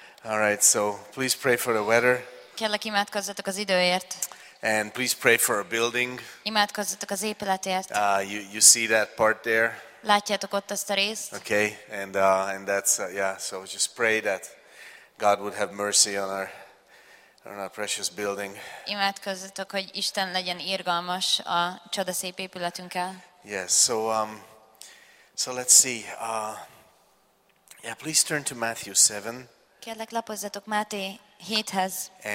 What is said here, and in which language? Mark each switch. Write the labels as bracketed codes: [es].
[en] All right, so please pray for the weather. [hu] Kérlek, imádkozzatok az időért. [en] And please pray for a building. [hu] Imádkozzatok az épületért. [en] You see that part there? [hu] Látjátok ott azt a részt? [en] Okay, and that's so just pray that God would have mercy on our precious building. [hu] Imádkozzatok, hogy Isten legyen irgalmas a csodaszép épületünkkel. [en] Yes, so let's see. Please turn to Matthew 7. [hu] Kérlek, lapozzatok Máté 7-hez.